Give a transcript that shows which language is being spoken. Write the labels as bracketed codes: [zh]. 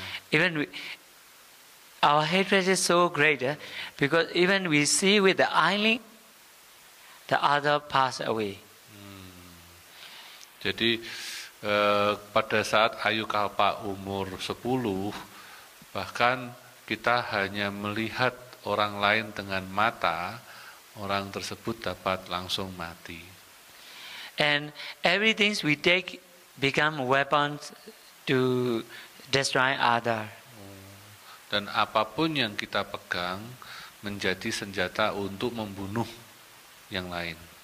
[en] Even we, our hatred is so great, because even we see with the eye, the other pass away. [id] Jadi pada saat ayukalpa umur 10, bahkan kita hanya melihat orang lain dengan mata, orang tersebut dapat langsung mati. [en] And everything we take become weapons to destroy other. [id] Dan apapun yang kita pegang menjadi senjata untuk membunuh yang lain.